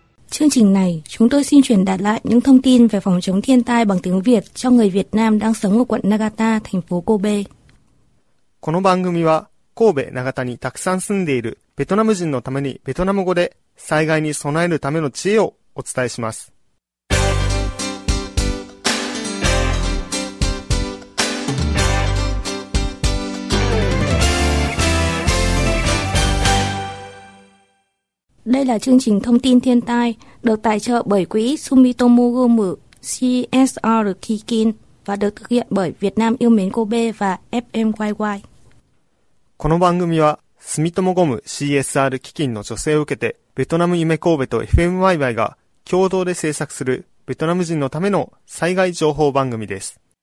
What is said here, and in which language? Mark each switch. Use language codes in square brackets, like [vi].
[vi] Chương trình này, chúng tôi xin truyền đạt lại những thông tin về phòng chống thiên tai bằng tiếng Việt cho người Việt Nam đang sống ở quận Nagata, thành phố Kobe. [ja] この番組は、神戸長田にたくさん住んでいるベトナム人のためにベトナム語で災害に備えるための知恵をお伝えします。 [vi] Đây là chương trình thông tin thiên tai được tài trợ bởi quỹ Sumitomo Gumu CSR Kikin và được thực hiện bởi Việt Nam yêu mến Kobe và FMYY. [ja] この番組は Sumitomo Gumu CSR Kikin の助成を受けてベトナム夢神戸と FMYY が共同で制作するベトナム人のための災害情報番組です。